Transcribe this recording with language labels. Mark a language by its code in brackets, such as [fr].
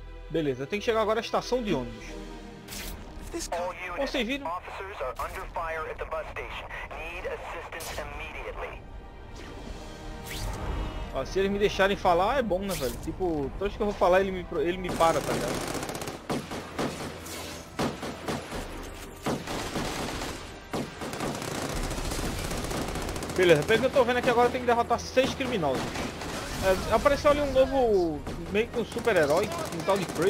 [pt] Beleza, tem que chegar agora à estação de ônibus. Vocês viram? [en] Officers are under fire at the bus station. Need assistance immediately. [pt] Ó, se eles me deixarem falar, é bom, né, velho? Tipo, toda vez que eu vou falar, ele me para, tá ligado? Beleza, pelo que eu tô vendo aqui agora, tem que derrotar 6 criminosos. É, apareceu ali um novo, meio que um super-herói, um tal de Kraven.